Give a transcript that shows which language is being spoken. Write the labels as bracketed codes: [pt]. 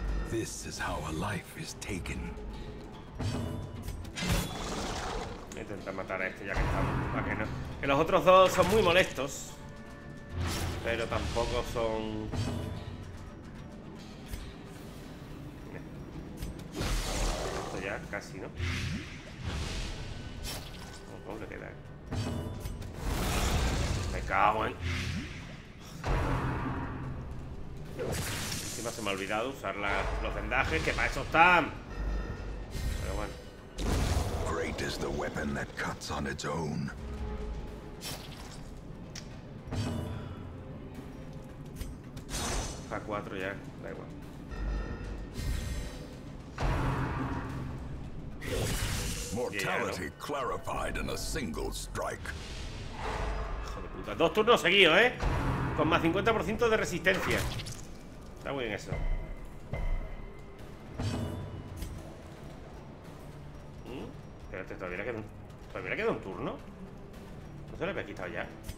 [en] This is how a life is taken. [es] Voy a intentar matar a este ya que estamos. ¿Para qué no? Que los otros dos son muy molestos. Pero tampoco son. Esto ya casi, ¿no? ¿Cómo le queda? Me cago en... Encima se me ha olvidado usar los vendajes, que para eso están. Pero bueno. [en] Great is the weapon that cuts on its own. [es] A 4 ya, da igual. [en] Mortality clarified in a single strike. [es] Hijo de puta, dos turnos seguidos, ¿eh? Con más 50% de resistencia. Está muy bien eso. Espérate, todavía le queda un turno. No se lo había quitado ya.